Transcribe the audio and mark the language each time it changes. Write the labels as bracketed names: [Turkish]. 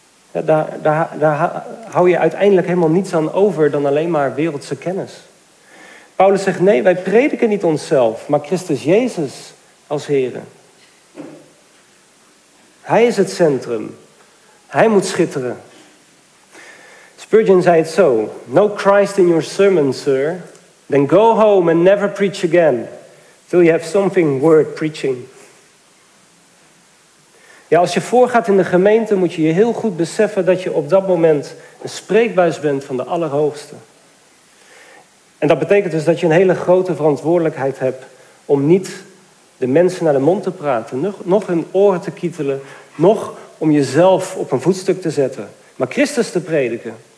[Dutch] Ja, daar hou je uiteindelijk helemaal niets aan over dan alleen maar wereldse kennis. Paulus zegt, nee, wij prediken niet onszelf, maar Christus Jezus als Heere. Hij is het centrum. Hij moet schitteren. [English] Spurgeon [Dutch] zei het zo: [English] "No Christ in your sermon, sir. Then go home and never preach again. Till you have something worth preaching." [Dutch] Ja, als je voorgaat in de gemeente, moet je je heel goed beseffen dat je op dat moment een spreekbuis bent van de Allerhoogste. En dat betekent dus dat je een hele grote verantwoordelijkheid hebt om niet de mensen naar de mond te praten, nog hun oren te kietelen, nog om jezelf op een voetstuk te zetten, maar Christus te prediken.